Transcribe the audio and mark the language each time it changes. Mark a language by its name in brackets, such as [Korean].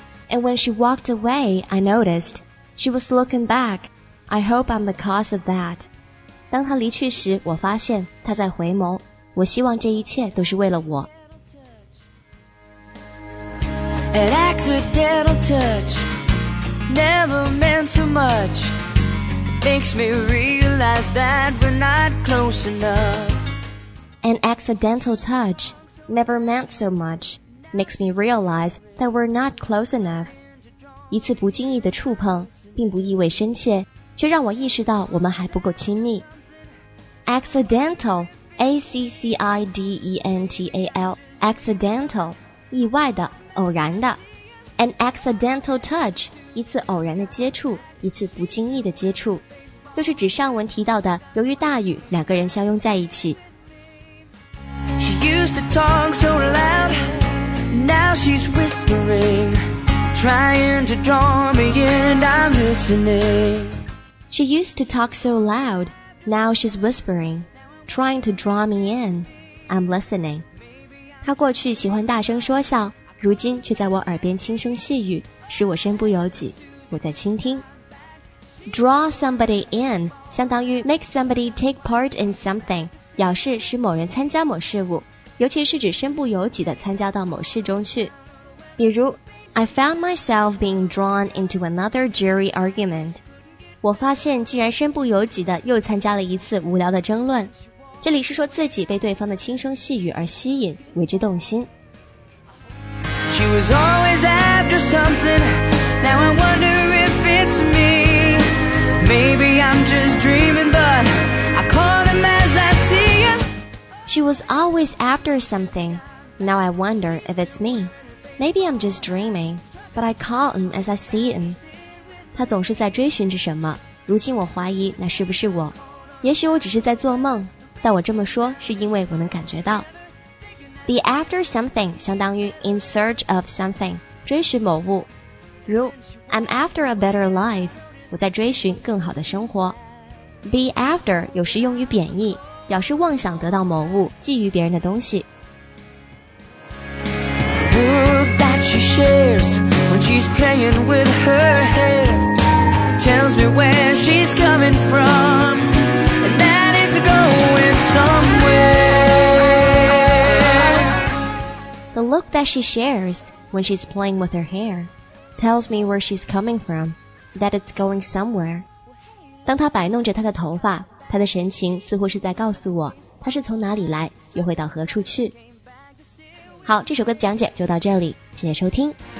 [English] And when she walked away, I noticed she was looking back. I hope I'm the cause of that. [Chinese] 当她离去时，我发现她在回眸，我希望这一切都是为了我。 [English] An accidental touchNever meant so much. Makes me realize that we're not close enough. An accidental touch never meant so much. Makes me realize that we're not close enough. [Chinese] 一次不经意的触碰并不意味深切，却让我意识到我们还不够亲密。 [English] Accidental, A-C-C-I-D-E-N-T-A-L, accidental, [Chinese] 意外的，偶然的。 [English] An accidental touch, [Chinese] 一次偶然的接触，一次不经意的接触，就是指上文提到的由于大雨两个人相拥在一起。 [English] She used to talk so loud, now she's whispering, trying to draw me in and I'm listening. She used to talk so loud, now she's whispering, trying to draw me in, I'm listening. [Chinese] 她过去喜欢大声说笑，如今却在我耳边轻声细语，使我身不由己，我在倾听。 [English] Draw somebody in [Chinese] 相当于 [English] make somebody take part in something， [Chinese] 表示使某人参加某事物，尤其是指身不由己地参加到某事中去。比如 [English] I found myself being drawn into another jury argument， [Chinese] 我发现竟然身不由己地又参加了一次无聊的争论。这里是说自己被对方的轻声细语而吸引，为之动心。 [English] She was always after something. Now I wonder if it's me. Maybe I'm just dreaming, but I call him as I see him. She was always after something. Now I wonder if it's me. Maybe I'm just dreaming, but I call him as I see him. [Chinese] 她总是在追寻着什么，如今我怀疑那是不是我。也许我只是在做梦，但我这么说是因为我能感觉到。 [English] The after something [Chinese] 相当于 [English] in search of something， [Chinese] 追寻某物。如 [English] I'm after a better life， [Chinese] 我在追寻更好的生活。 [English] Be after [Chinese] 有时用于贬义，表示妄想得到某物，觊觎别人的东西。 [English] The world that she shares when she's playing with her hair tells me where she's coming from and that it's going somewhere. The look that she shares when she's playing with her hair tells me where she's coming from, that it's going somewhere. [Chinese] 当她摆弄着她的头发，她的神情似乎是在告诉我，她是从哪里来，又会到何处去。好，这首歌讲解就到这里，谢谢收听。